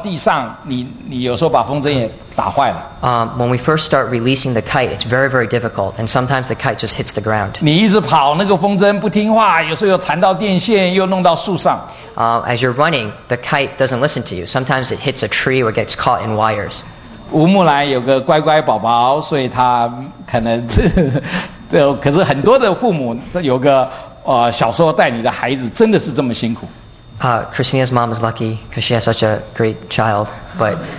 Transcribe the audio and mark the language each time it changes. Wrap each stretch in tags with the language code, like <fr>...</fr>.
<zh>当我们开始放风筝的时候，很辛苦，那个风筝拿不起来，一直倒到地上，你有时候把风筝也打坏了。</zh> <en>When we first start releasing the kite, it's very, very difficult, and sometimes the kite just hits the ground.</en> <zh>你一直跑，那个风筝不听话，有时候又缠到电线，又弄到树上。</zh> <en>As you're running, the kite doesn't listen to you. Sometimes it hits a tree or gets caught in wires.</en> <zh>吴木兰有个乖乖宝宝，所以他可能是，对，可是很多的父母有个小时候带你的孩子，真的是这么辛苦。</zh> <en>Christina's mom is lucky because she has such a great child, but.</en>